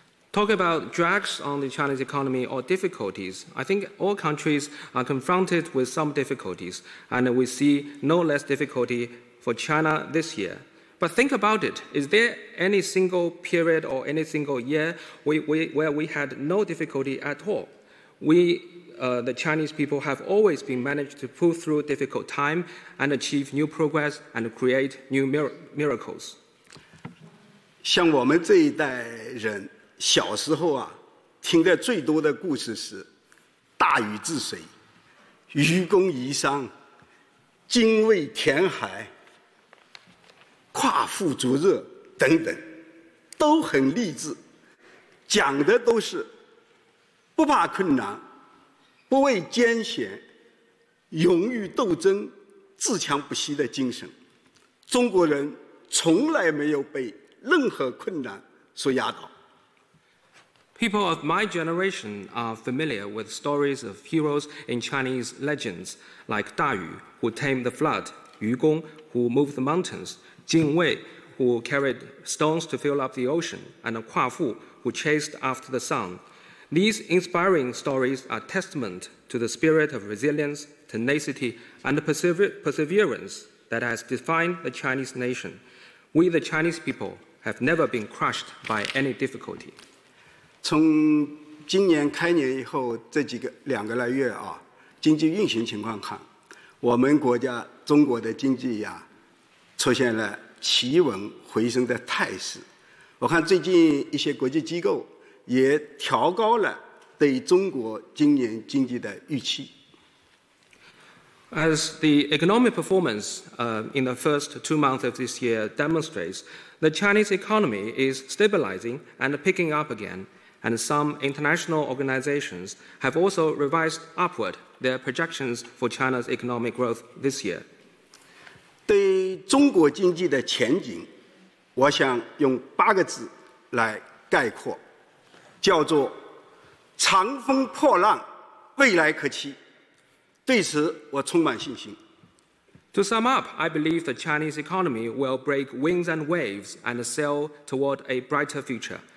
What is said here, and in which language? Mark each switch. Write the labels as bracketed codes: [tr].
[en] Talk about drags on the Chinese economy or difficulties. I think all countries are confronted with some difficulties, and we see no less difficulty for China this year. But think about it. Is there any single period or any single year where we had no difficulty at all? The Chinese people have always been managed to pull through difficult time and achieve new progress and create new miracles. [zh] 像我们这一代人小时候啊，听的最多的故事是大禹治水、愚公移山、精卫填海、夸父逐日等等，都很励志，讲的都是不怕困难、不畏艰险、勇于斗争、自强不息的精神。中国人从来没有被任何困难所压倒。 [en] People of my generation are familiar with stories of heroes in Chinese legends like 大禹, who tamed the flood, 愚公, who moved the mountains, 精卫, who carried stones to fill up the ocean, and 夸父, who chased after the sun. These inspiring stories are testament to the spirit of resilience, tenacity, and perseverance that has defined the Chinese nation. We, the Chinese people, have never been crushed by any difficulty. [zh] 从今年开年以后这几个两个来月啊，经济运行情况看，我们国家中国的经济呀，出现了企稳回升的态势。我看最近一些国际机构也调高了对中国今年经济的预期。 [en] As the economic performance in the first 2 months of this year demonstrates, the Chinese economy is stabilizing and picking up again. And some international organizations have also revised upward their projections for China's economic growth this year. [zh] 对中国经济的前景，我想用八个字来概括，叫做长风破浪，未来可期。对此我充满信心。 [en] To sum up, I believe the Chinese economy will break winds and waves and sail toward a brighter future.